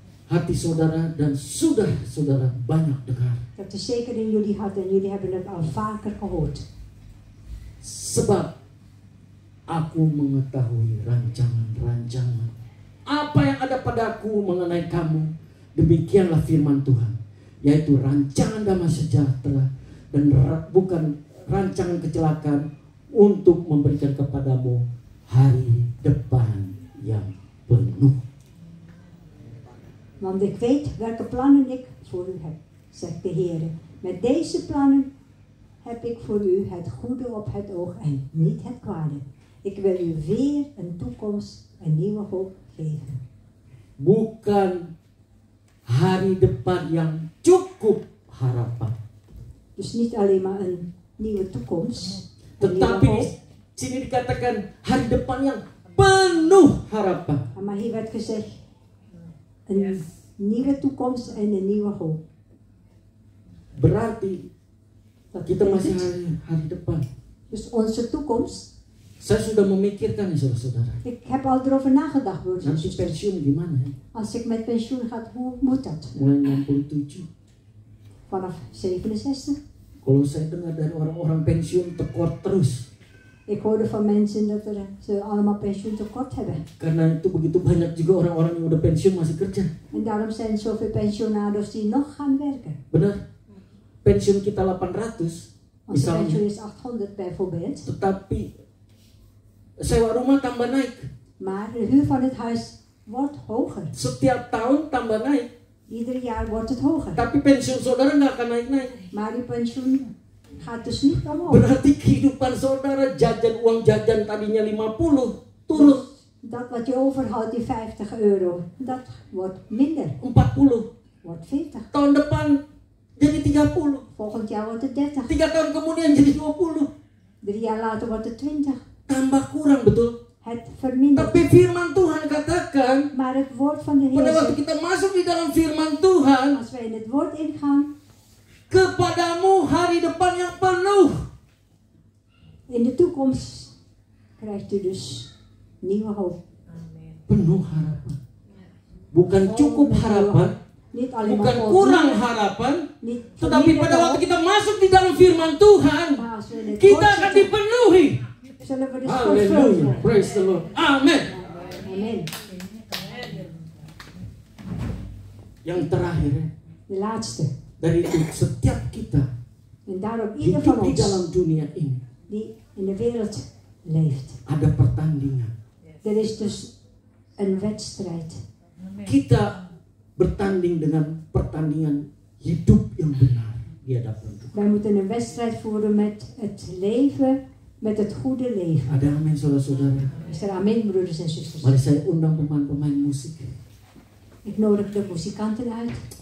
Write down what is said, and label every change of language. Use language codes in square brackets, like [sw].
[id] Hati saudara dan sudah saudara banyak dengar. [nl] Dat is zeker in jullie hart en jullie hebben het al vaker gehoord. [id] Sebab aku mengetahui rancangan-rancangan. Apa yang ada padaku mengenai kamu, demikianlah firman Tuhan. Yaitu rancangan damai sejahtera dan bukan rancangan kecelakaan untuk memberikan kepadamu hari depan yang penuh. [nl] Want ik weet welke plannen ik voor u heb, zegt de Heere. Met deze plannen heb ik voor u het goede op het oog en niet het kwade. Ik wil u weer een toekomst, een nieuwe hoop geven. [id] Bukan hari depan yang cukup harapan. [nl] Dus niet alleen maar een nieuwe toekomst. [id] Tetapi sini dikatakan hari depan yang penuh harapan. [nl] Maar hier werd gezegd. Een nieuwe toekomst en een nieuwe hoop. [id] Berarti [nl] dat [id] kita masih hari depan. [nl] Dus onze toekomst. [id] Saya sudah memikirkan, saudara-saudara. [nl] Ik heb al erover nagedacht, broers. [id] Nanti pensioen gimana? Hè? [nl] Als ik met pensioen ga, hoe moet dat? [id] Mulai 67. [nl] Vanaf 67. [id] Kalau saya dengar dari orang-orang [nl] pensioen tekort [id] terus. [nl] Ik hoorde van mensen dat ze allemaal pensioentekort hebben. [id] Karena itu begitu banyak juga orang-orang yang udah pensiun masih kerja. [nl] En daarom zijn zoveel pensionados die nog gaan werken. [id] Benar. Pensiun kita 800. [nl] Onze pensioen is 800 bijvoorbeeld. [id] Tetapi sewa rumah tambah naik. [nl] Maar de huur van het huis wordt hoger. [id] Setiap tahun tambah naik. [nl] Ieder jaar wordt het hoger. [id] Tapi pensiun saudara nggak akan naik-naik. [nl] Maar die pensioen gaat dus niet omhoog. [id] Berarti kehidupan saudara jajan uang jajan tadinya 50 turun. [nl] Dat wat je overhoudt die 50 euro, dat wordt minder. [id] 40. [nl] Wordt 40. [id] Tahun depan jadi 30. [nl] Volgend jaar wordt het 30. [id] 3 tahun kemudian jadi 20. [nl] 3 jaar later wordt het 20. [id] Tambah kurang betul. [nl] Het vermindert. [id] Tapi firman Tuhan katakan. [nl] Maar het woord van de Heer. [id] Pada waktu kita masuk di dalam firman Tuhan. [nl] Als wij in het woord ingaan. [id] Kepadamu hari depan yang penuh. [nl] In de toekomst krijgt u dus nieuwe hoop. [id] Penuh harapan. Bukan cukup harapan. [nl] Niet alleen [id] bukan maar kurang [nl] niet, [id] harapan. [nl] Niet, [id] tetapi pada waktu kita masuk di dalam firman Tuhan. Kita akan [nl] zitten, [id] dipenuhi. Haleluya. [en] Praise the Lord. Amen. Amen. [id] Yang terakhir. [nl] De laatste. [id] Dari itu setiap kita [nl] en daarom ieder van [id] di dalam dunia ini [nl] die in de wereld leeft [id] ada pertandingan. [nl] Er is dus een wedstrijd. [id] Kita bertanding dengan pertandingan hidup yang benar di hadapan Tuhan. [nl] Wij moeten een wedstrijd voeren met het leven met het goede leven. [id] Ada amin, saudara-saudara. [nl] Is er amin, broeders en zusters? [id] Mari saya undang pemain-pemain musik. [nl] Ik nodig de muzikanten uit.